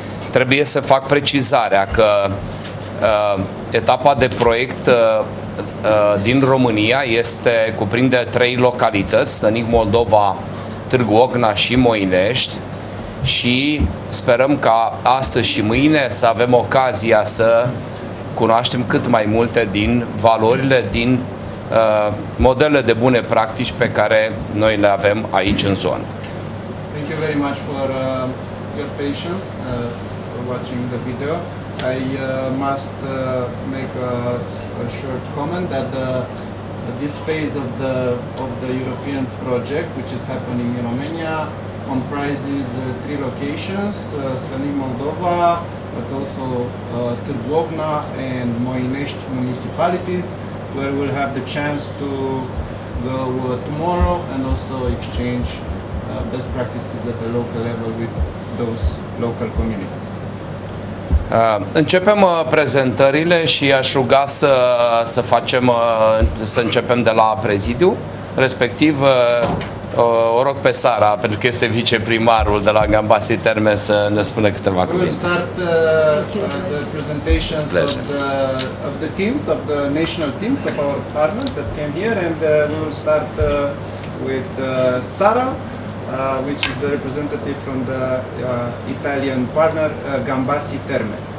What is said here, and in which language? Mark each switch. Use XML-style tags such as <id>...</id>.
<ro>Trebuie să fac precizarea că etapa de proiect din România este cuprinde trei localități, Slănic Moldova, Târgu Ocna și Moinești, și sperăm ca astăzi și mâine să avem ocazia să cunoaștem cât mai multe din valorile, din modele de bune practici pe care noi le avem aici în zonă.</ro> <en>Thank you very much for your patience for watching the video. I must make a short comment that this phase of the European project, which is happening in Romania, comprises three locations: Slănic Moldova, but also Târgu Ocna and Moinești municipalities, where we'll have the chance to go tomorrow and also exchange best practices at the local level with those local communities.</en> <ro>Începem prezentările și aș ruga să începem de la prezidiu, respectiv o rog pe Sara, pentru că este viceprimarul de la Gambasi Terme, să ne spună câteva cuvinte.</ro> <en>We'll start the presentations of the teams, of the national teams of our partners that came here, and we'll start with Sara, which is the representative from the Italian partner, Gambasi Terme.</en>